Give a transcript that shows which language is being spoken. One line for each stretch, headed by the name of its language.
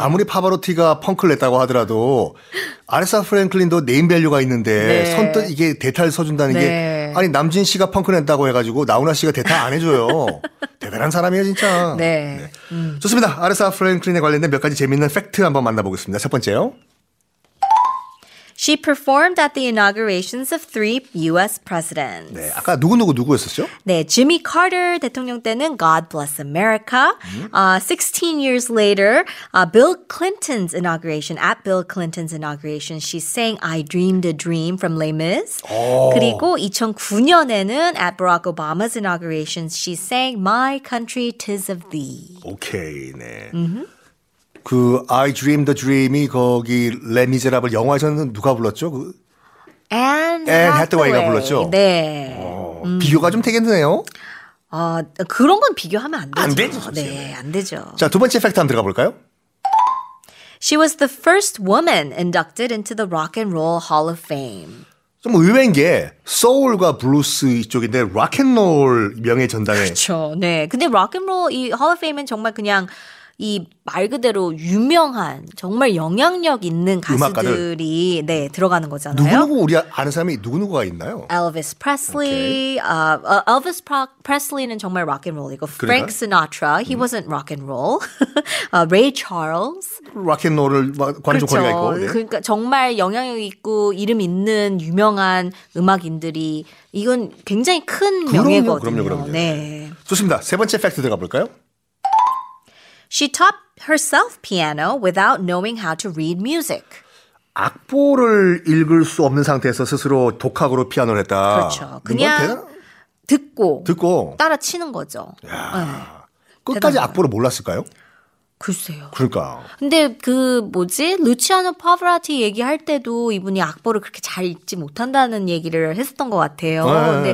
Korean: 아무리 파바로티가 펑크를 냈다고 하더라도 아레사 프랭클린도 네임 밸류가 있는데 네. 선뜻 이게 대타를 써준다는 네. 게 아니 남진 씨가 펑크 냈다고 해가지고 나훈아 씨가 대타 안 해줘요. 대단한 사람이에요 진짜. 네. 네. 좋습니다. 아레사 프랭클린에 관련된 몇 가지 재밌는 팩트 한번 만나보겠습니다. 첫 번째요.
English: She performed at the inaugurations of three U.S. presidents.
Korean: 네, 아까 누구였었죠? 네, Jimmy Carter 대통령 때는 God Bless America.
English: 16 years later, Bill Clinton's inauguration, at Bill Clinton's inauguration, she sang I Dreamed a Dream from Les Mis. 오.
Korean: 그리고 2009년에는
English: at Barack Obama's inauguration, she sang My Country, 'Tis of Thee.
Korean: 오케이, 네. 음흠. 그 I Dreamed a Dream이 거기 레미제라블 영화에서는 누가 불렀죠? 그 앤 해터웨이가 불렀죠? 네. 비교가 좀 되겠네요. 그런 건 비교하면 안 되죠. 안 되죠. 네, 안 되죠. 자, 두 번째 팩트 한번 들어가 볼까요?
English: She was the first woman inducted into the Rock and Roll Hall of Fame.
Korean: 좀 의외인 게 소울과 블루스 이쪽인데 락앤롤 명예 전당에. 그렇죠. 네. 근데 락앤롤 이 Hall of Fame은 정말 그냥 이 말 그대로 유명한 정말 영향력 있는 가수들이 음악가들. 네 들어가는 거잖아요. 누구누구 우리 아는 사람이 누구누구가 있나요? Elvis Presley. Okay. Elvis Presley는 정말 rock and roll이고 그러니까?
English: Frank Sinatra he wasn't rock and roll. Ray Charles.
Korean: Rock and roll을 관해서 거리가 있고. 네. 그러니까 정말 영향력 있고 이름 있는 유명한 음악인들이 이건 굉장히 큰 그럼요, 명예거든요. 그럼요. 네. 좋습니다. 세 번째 팩트 들어가 볼까요?
English: She taught herself piano without knowing how to read music.
Korean: 악보를 읽을 수 없는 상태에서 스스로 독학으로 피아노를 했다. 그렇죠. 그냥 듣고 따라 치는 거죠. 야, 네. 끝까지 악보를 몰랐을까요? 글쎄요. 그러니까. 근데 그 뭐지? 루치아노 파브라티 얘기할 때도 이분이 악보를 그렇게 잘 읽지 못한다는 얘기를 했었던 것 같아요. 네.